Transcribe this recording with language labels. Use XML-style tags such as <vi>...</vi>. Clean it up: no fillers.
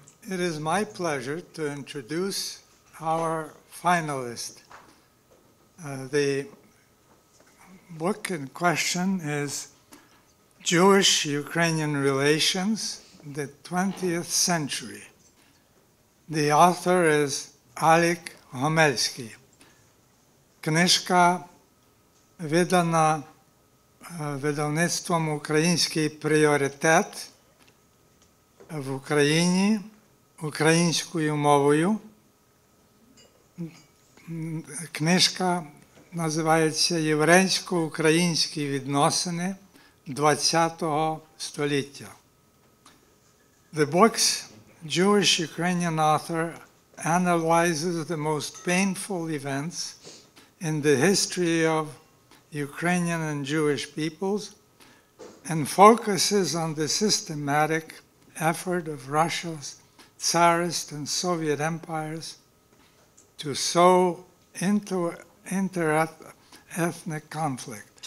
<en>It is my pleasure to introduce our finalist. The book in question is Jewish-Ukrainian Relations, the 20th Century. The author is Alik Gomelsky.</en> <uk>Книжка видана видавництвом «Український пріоритет» в Україні українською мовою. Книжка називається «Єврейсько-українські відносини ХХ століття».</uk> <en>The book's Jewish-Ukrainian author analyzes the most painful events in the history of Ukrainian and Jewish peoples and focuses on the systematic effort of Russia's tsarist and Soviet empires to sow into interethnic conflict.</en>